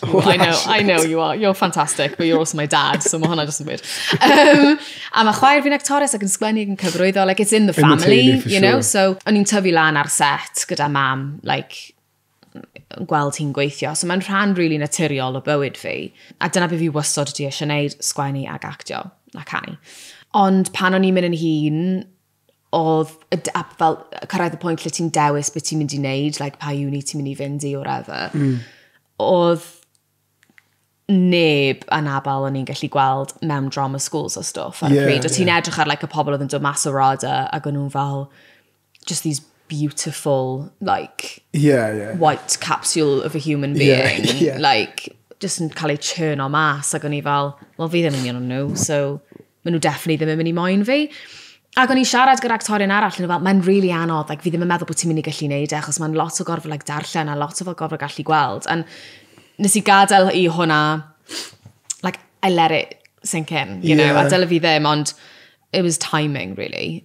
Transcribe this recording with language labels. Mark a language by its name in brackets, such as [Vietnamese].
[English] I know you are. You're fantastic, but you're also my dad, so [Welsh] mae hwnna just yn weird. A mae chwaer fi'n actores ac yn sgwenny ac yn cyfrwyddo, [English] like it's in the family, [Welsh] So o'n i'n tyfu lan ar set gyda mam, like, gweld hi'n gweithio. So mae'n rhan really naturiol o bywyd fi. A dyna beth fi wastod ydi eisiau gwneud, sgwenny ac actio, na canu. Ond pan o'n i'n mynd yn hun, oedd, fel, cyrraedd y pwynt lle ti'n dewis beth ti'n mynd i wneud, like pa uni ti'n mynd i fynd i or ever, oedd neb anabal o'n i'n gallu gweld mewn drama schools o stwff ar y pryd. Oedd ti'n edrych ar like, y pobl oedd yn dod mas o roda ac o'n nhw'n fel, [English] just these beautiful, like, white capsule of a human being. [Welsh] Like, just yn cael eu churn o mas ac o'n i fel, well, fi ddim yn mynd o'n nhw, so maen nhw definitely ddim yn mynd i moyn fi. Ac o'n i siarad gyda'r actorion arall, yn fel, mae'n really anodd, like, fi ddim yn meddwl bod ti'n mynd i gallu neud e, achos mae'n lot o gorfod like, darllen a lot o gorfod gallu gweld. [English] And [Welsh] nes i gadael i hwnna, [English] like, I let it sink in, you know, [Welsh] a dylai fi ddim, ond [English] it was timing, really.